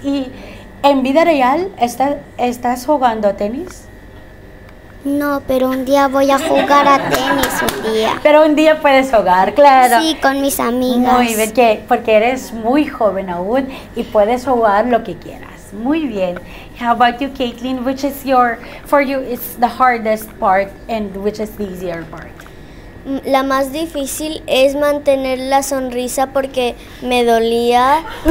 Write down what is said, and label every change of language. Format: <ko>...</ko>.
<es>¿Y en vida real estás jugando a tenis? No, pero un día voy a jugar a tenis un día. Pero un día puedes jugar, claro. Sí, con mis amigas. Muy bien, porque eres muy joven aún y puedes jugar lo que quieras. Muy bien.</es> <en>How about you, Caitlin? Which is for you is the hardest part and which is the easier part?</en> <es>La más difícil es mantener la sonrisa porque me dolía.</es>